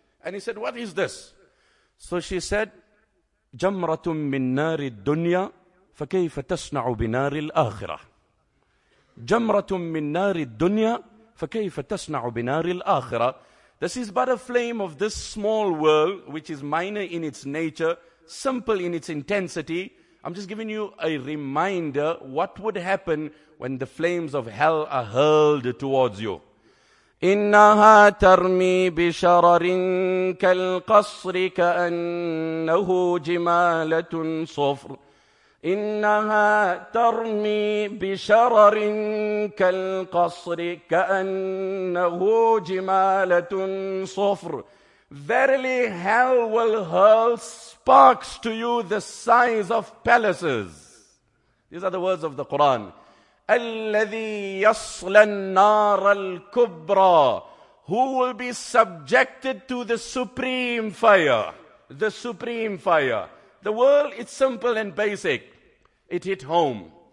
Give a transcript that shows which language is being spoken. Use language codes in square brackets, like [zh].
[en] And he said, what is this? So she said, [ar] جَمْرَةٌ مِّن نَارِ الدُّنْيَا فَكَيْفَ تَصْنَعُ بِنَارِ الْآخِرَةِ [en] جَمْرَةٌ مِّن نَارِ الدُّنْيَا فَكَيْفَ تَصْنَعُ بِنَارِ الْآخِرَةِ This is but a flame of this small world, which is minor in its nature, simple in its intensity. I'm just giving you a reminder what would happen when the flames of hell are hurled towards you. [ar] إِنَّهَا تَرْمِي بِشَرَرٍ كَالْقَصْرِ كَأَنَّهُ جِمَالَةٌ صُفْرٌ إِنَّهَا تَرْمِي بِشَرَرٍ كَالْقَصْرِ كَأَنَّهُ جِمَالَةٌ صُفْرٌ [en] Verily, hell will hurl sparks to you the size of palaces. These are the words of the Quran. [ar] الَّذِي يَصْلَى النَّارَ الْكُبْرَى [en] Who will be subjected to the supreme fire. The supreme fire. The world is simple and basic. It hit home.